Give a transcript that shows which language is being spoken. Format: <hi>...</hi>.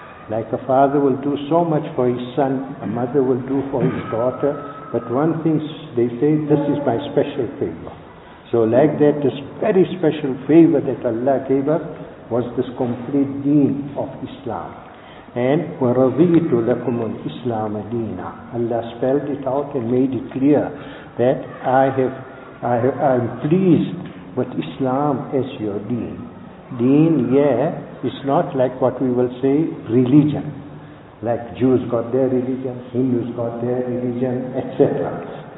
<en>Like a father will do so much for his son, a mother will do for his daughter, but one thing they say, this is my special favor. So like that, this very special favor that Allah gave us was this complete deen of Islam.</en> <ar>And وَرَضِيْتُ لَكُمُ الْإِسْلَامَ دِينًا.</ar> <en>Allah spelled it out and made it clear that I am pleased with Islam as your deen. Deen, yeah, is not like what we will say religion. Like Jews got their religion, Hindus got their religion, etc.</en>